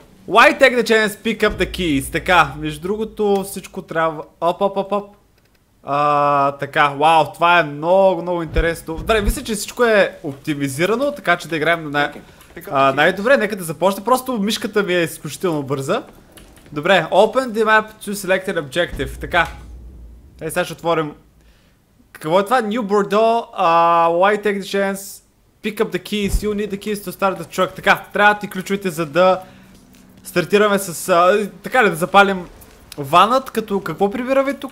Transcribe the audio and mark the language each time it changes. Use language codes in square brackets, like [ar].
[en] Why take the chance, pick up the keys? [bg] Така, между другото всичко трябва... Оп. Така, вау, това е много интересно. Добре, мисля, че всичко е оптимизирано, така че да играем на най-добре. Нека да започне, просто мишката ми е изключително бърза. Добре, [en] open the map to select an objective. [bg] Така. Ей, сега ще отворим. Какво е това? [en] New Bordeaux, why take the chance? Pick up the keys, you need the keys to start the truck. [bg] Така, трябва ти ключовете, за да стартираме с... така ли, да запалим ванът, като какво прибираме тук?